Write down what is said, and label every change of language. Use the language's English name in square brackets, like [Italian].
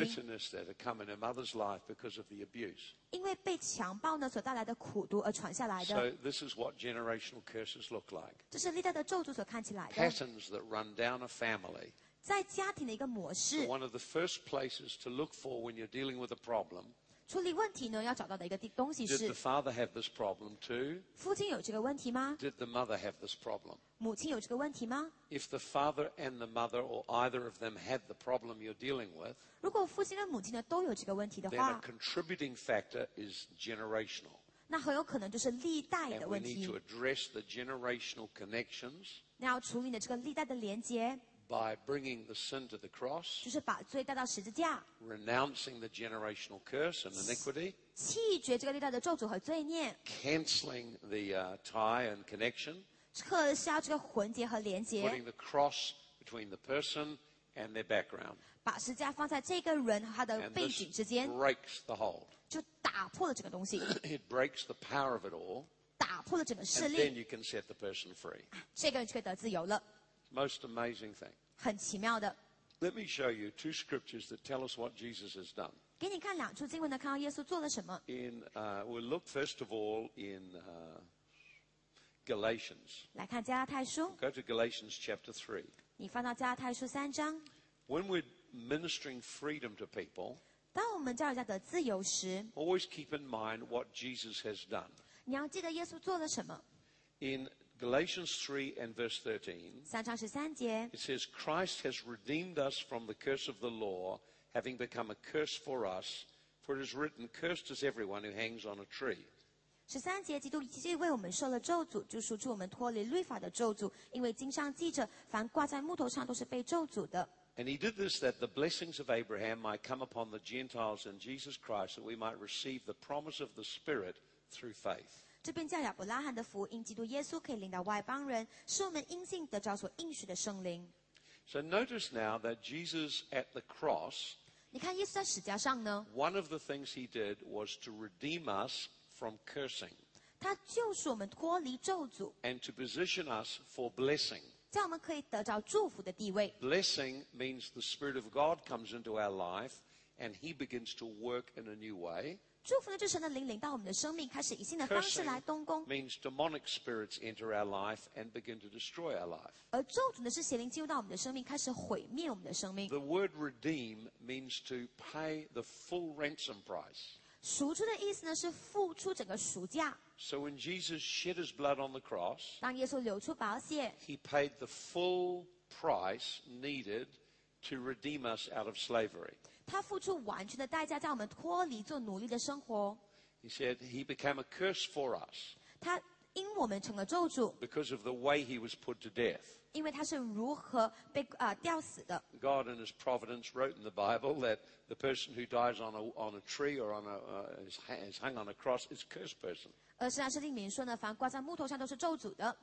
[English] And the bitterness that had come in her mother's life because of the abuse. [Chinese] 因为被强暴呢所带来的苦毒而传下来的。 [English] So this is what generational curses look like. [Chinese] 这是历代的咒诅所看起来的。 [English] Patterns that run down a family. [Chinese] 在家庭的一个模式。 [English] So one of the first places to look for when you're dealing with a problem. [Chinese] 处理问题呢，要找到的一个东西是。 [English] Did the father have this problem too? [Chinese] 父亲有这个问题吗 [English] ？Did the mother have this problem? [Chinese] 母亲有这个问题吗 [English] ？If the father and the mother or either of them had the problem you're dealing with, [Chinese] 如果父亲跟母亲呢都有这个问题的话 [English] ，then a contributing factor is generational. [Chinese] 那很有可能就是历代的问题。 [English] And we need to address the generational connections. [Chinese] 那要处理的这个历代的连接。 [English] By bringing the sin to the cross, [Chinese] 就是把罪带到十字架 [English] renouncing the generational curse and iniquity, [Chinese] 弃绝这个历代的咒诅和罪孽 [English] canceling the tie and connection, [Chinese] 撤销这个魂结和连结 [English] putting the cross between the person and their background, [Chinese] 把十字架放在这个人和他的背景之间 [English] and this breaks the hold, [Chinese] 就打破了这个东西 [English] it breaks the power of it all, [Chinese] 打破了整个势力 [English] and then you can set the person free, [Chinese] 这个人就可以得自由了 [English] Most amazing thing. [Chinese] 很奇妙的。 [English] Let me show you two scriptures that tell us what Jesus has done. [Chinese] 给你看两处经文呢，看到耶稣做了什么。 [English] In we'll look first of all in Galatians. [Chinese] 来看加拉太书。 [English] Go to Galatians chapter 3. [Chinese] 你翻到加拉太书三章。 [English] When we're ministering freedom to people, [Chinese] 当我们教人家得自由时 [English] ，always keep in mind what Jesus has done. [Chinese] 你要记得耶稣做了什么。 [English] In Galatians 3 and verse 13, [Chinese] 三章十三节 [English] it says, Christ has redeemed us from the curse of the law, having become a curse for us, for it is written, cursed is everyone who hangs on a tree. [Chinese] 十三节基督已经为我们受了咒诅就赎出我们脱离律法的咒诅因为经上记着凡挂在木头上都是被咒诅的 [English] And he did this that the blessings of Abraham might come upon the Gentiles in Jesus Christ, that we might receive the promise of the Spirit through faith. [Chinese] 这边叫亚伯拉罕的福音，基督耶稣可以领到外邦人，是我们因信得着所应许的圣灵。 [English] So notice now that Jesus at the cross, [Chinese] 你看耶稣在十字架上呢? [English] One of the things he did was to redeem us from cursing. [Chinese] 他救赎我们脱离咒诅。 [English] And to position us for blessing. [Chinese] 叫我们可以得着祝福的地位。 [English] Blessing means the Spirit of God comes into our life and he begins to work in a new way. [Chinese] 祝福呢就是神的灵临到我们的生命，开始以新的方式来动工。 [English] Cursing means demonic spirits enter our life and begin to destroy our life. [Chinese] 而咒诅呢是邪灵进入到我们的生命，开始毁灭我们的生命。 [English] The word redeem means to pay the full ransom price. [Chinese] 赎出的意思呢是付出整个赎价。 [English] So when Jesus shed his blood on the cross, [Chinese] 当耶稣流出宝血, [English] he paid the full price needed to redeem us out of slavery. [Chinese] 他付出完全的代价，叫我们脱离做奴隶的生活。 [English] He said he became a curse for us. [Chinese] 他因我们成了咒诅。 [English] Because of the way he was put to death. [Chinese] 因为他是如何被吊死的。 [English] God in his providence wrote in the Bible that the person who dies on a tree or on a, is hung on a cross is a cursed person. [Chinese] 而是圣经里面说呢，凡挂在木头上都是咒诅的。